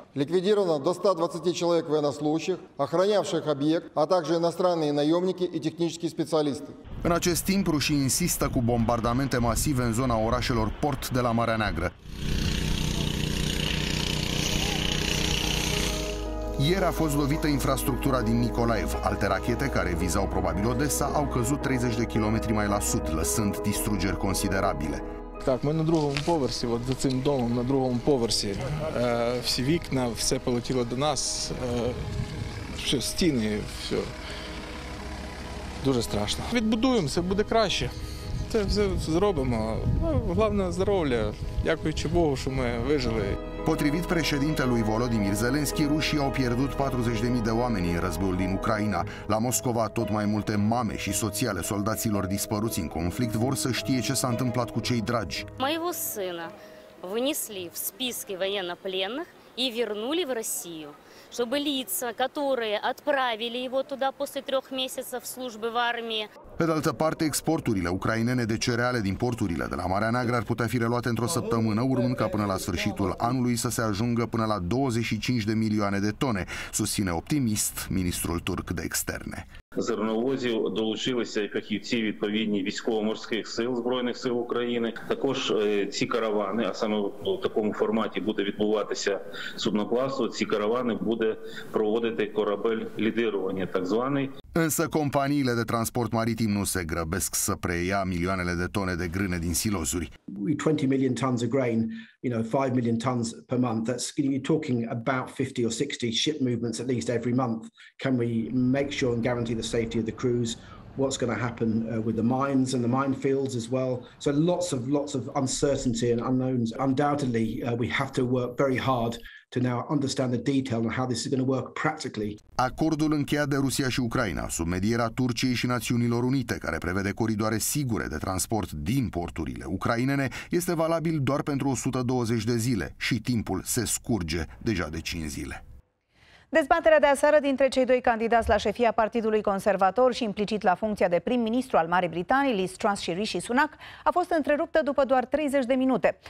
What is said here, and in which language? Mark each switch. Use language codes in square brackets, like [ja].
[ru] Ликвидировано до 120 человек военнослужащих, охранявших объект, а также иностранные наемники и технические специалисты. [ro] În acest timp, rușii insistă cu bombardamente masive în zona orașelor port de la Marea Neagră. Ieri a fost lovită infrastructura din Nicolaev. Alte rachete, care vizau probabil Odessa, au căzut 30 de kilometri mai la sud, lăsând distrugeri considerabile. [uk] Так, ми на другому поверсі, от за цим домом на другому поверсі. Всі вікна, все полетіло до нас, все, стіни, все. Дуже страшно. Відбудуємо, все буде краще. Це все зробимо. Головне здоров'я. Дякуючи Богу, що ми вижили. [ro] Potrivit președintelui Volodymyr Zelensky, rușii au pierdut 40.000 de oameni în războiul din Ucraina. La Moscova, tot mai multe mame și soții ale soldaților dispăruți în conflict vor să știe ce s-a întâmplat cu cei dragi. [ru] Моего сына внесли в списки военнопленных и вернули в Россию. чтобы лица, которые отправили его туда после трех месяцев службы в армии. [ro] Pe de altă parte, exporturile ucrainene de cereale din porturile de la Marea Neagră ar putea fi reluate într-o săptămână, urmând ca până la sfârșitul anului să se ajungă până la 25 de milioane de tone, susține optimist ministrul turc de externe. [uk] Зерновозів долучилися і фахівці відповідні військово-морських сил Збройних сил України. Також ці каравани, а саме в такому форматі буде відбуватися суднопласту, ці каравани буде проводити корабель лідирування, так званий. [ro] Însă companiile de transport maritim nu se grăbesc să preia milioanele de tone de grâne din silozuri. [en] 20 million tons of grain, you know, 5 million tons per month. That's, you're talking about 50 or 60 ship movements at least every month. Can we make sure and guarantee the safety of the crews? What's going to happen with the mines and the minefields as well? So lots of uncertainty and unknowns. Undoubtedly, we have to work very hard to now understand the detail and how this is going to work practically. [ro] Acordul încheiat de Rusia și Ucraina, sub medierea Turciei și Națiunilor Unite, care prevede coridoare sigure de transport din porturile ucrainene, este valabil doar pentru 120 de zile și timpul se scurge deja de 5 zile. Dezbaterea de aseară dintre cei doi candidați la șefia Partidului Conservator și implicit la funcția de prim-ministru al Marii Britanii, Liz Truss și Rishi Sunak, a fost întreruptă după doar 30 de minute.